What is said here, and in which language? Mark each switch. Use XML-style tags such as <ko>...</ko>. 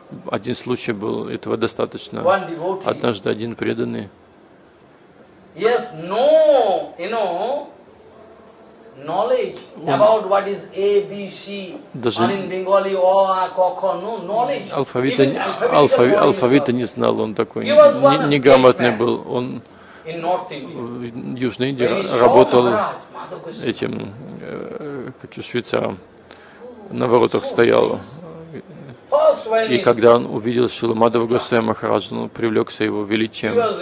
<ru>Один случай был, этого достаточно. Однажды один преданный.</ru> <en>Yes, no, you know, knowledge about what is A, B, C, or in Bengali, O, A, K, K, no, knowledge.</en> <ru>Алфавита не знал, он такой неграмотный был. Он в Южной Индии работал этим, как и швейцаром, на воротах стоял. И когда он увидел Шрилу Мадхава Госвами Махараджа, он привлекся его величием.</ru>